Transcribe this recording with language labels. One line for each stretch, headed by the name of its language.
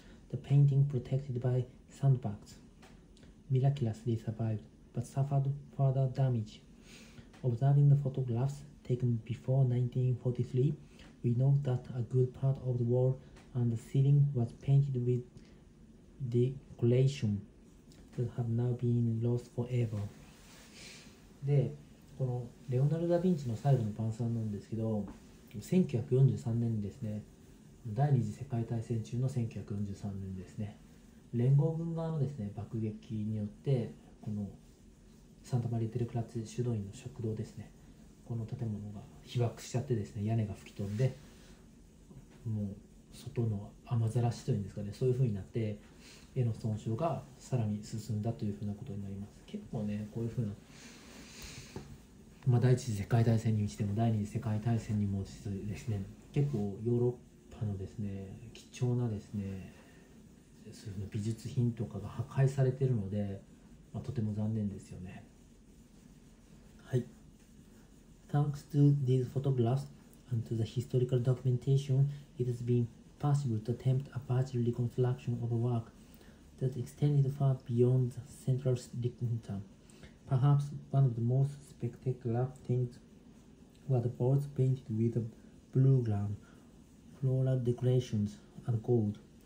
English: The painting, protected by sandbags, miraculously survived, but suffered further damage. Observing the photographs taken before 1943, we know that a good part of the wall and the ceiling was painted with decoration that have now been lost forever.
Japanese: で、このレオナルド・ダ・ヴィンチの最後の晩餐なんですけど、1943年ですね、第二次世界大戦中の1943年ですね、連合軍側のですね爆撃によって、このサンタマリア・デル・クラッツ修道院の食堂ですね、この建物が被爆しちゃってですね、屋根が吹き飛んで、もう外の雨ざらしというんですかね、そういう風になって、絵の損傷がさらに進んだというふうなことになります。結構ねこういうふうな、まあ、第一次世界大戦にしても第二次世界大戦にもですね、結構ヨーロッパのですね貴重なですねそういう美術品とかが破壊されているので、まあ、とても残念ですよね。はい。
English: Thanks to these photographs and to the historical documentation, it has been possible to attempt a partial reconstruction of a work that extended far beyond the central region. Perhaps one of the most spectacular things were the boards painted with a blue ground, floral decorations and gold.